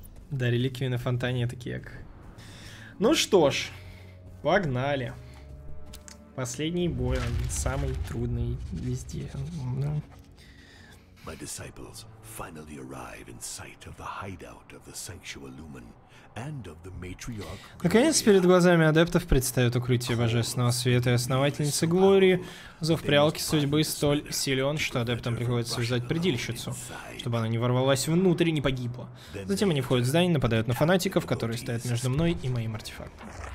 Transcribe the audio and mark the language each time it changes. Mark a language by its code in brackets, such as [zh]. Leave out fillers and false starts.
[ru] Да, реликвии на фонтане это кек. Ну что ж, погнали. Последний бой, он самый трудный везде. [en] My disciples finally arrive in sight of the hideout of the Sanctua Lumen and of the matriarch. [ru] Наконец перед глазами адептов предстает укрытие божественного света и основательницы Глории. Зов Прялки судьбы столь силен, что адептам приходится связать предильщицу, чтобы она не ворвалась внутрь и не погибла. Затем они входят в здание и нападают на фанатиков, которые стоят между мной и моим артефактом.